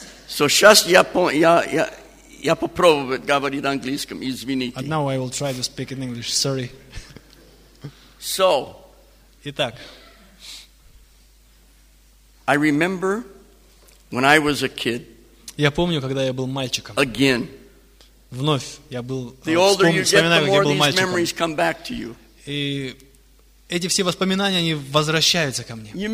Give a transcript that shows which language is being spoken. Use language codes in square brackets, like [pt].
[ru] So сейчас я попробую говорить английском, извините. [en] And now I will try to speak in English, sorry. So. [ru] Итак. [en] I remember when I was a kid. [ru] Я помню, когда я был мальчиком. [en] Again. [ru] Вновь я был, [en] the older you get, the more these memories come back to you. [ru] И эти все воспоминания, они возвращаются ко мне.